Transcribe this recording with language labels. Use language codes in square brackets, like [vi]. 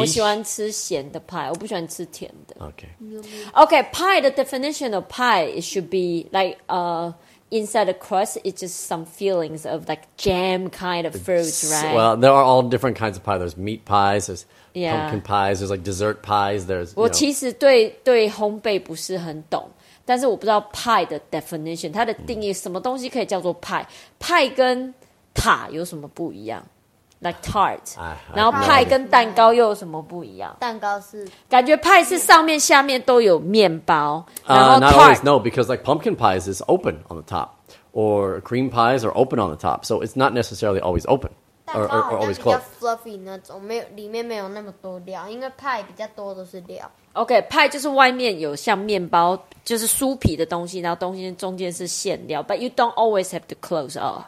[zh] 我喜欢吃咸的 pie, 我不喜欢吃甜的。 [en] Okay. Okay, pie, the definition of pie, it should be like inside the crust, it's just some fillings of like jam kind of fruits, right? Well, there are all different kinds of pie. There's meat pies, there's pumpkin pies, there's like dessert pies, there's, you know. [zh] 我其实对烘焙不是很懂。但是我不知道 pie 的 definition, 它的定义什么东西可以叫做 pie? Pie 跟塔有什么不一样? [en] Like tart. [zh] 然后 pie 跟蛋糕又有什么不一样? 蛋糕是感觉 pie 是上面下面都有面包。 [en] Not always, no, because like pumpkin pies is open on the top. Or cream pies are open on the top. So it's not necessarily always open. Or always closed. [zh] 蛋糕好像比较 fluffy 那种, 没有, 里面没有那么多料, 因为 pie 比较多都是料。 OK, pie 就是外面有像面包就是酥皮的东西然后东西中间是馅料 [en] But you don't always have to close off